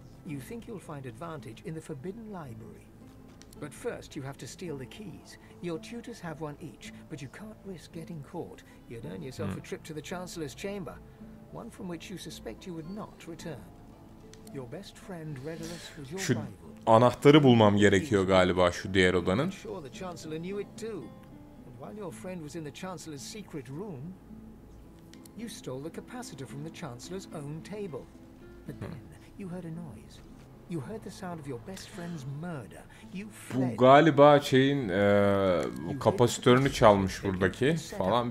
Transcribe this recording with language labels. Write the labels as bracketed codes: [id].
[en] You think you'll find advantage in the Forbidden Library. But first, you have to steal the keys. Your tutors have one each, but you can't risk getting caught. You'd earn yourself a trip to the Chancellor's chamber, one from which you suspect you would not return. Your best friend Redolus was your rival. [tr] Şu anahtarı bulmam gerekiyor galiba şu diğer odanın. [en] I'm sure the Chancellor knew it too. And while your friend was in the Chancellor's secret room, you stole the capacitor from the Chancellor's own table. But then, you heard a noise. You heard the sound of your best friend's murder. You fled. [tr] Bu galiba şeyin kapasitörünü çalmış buradaki falan.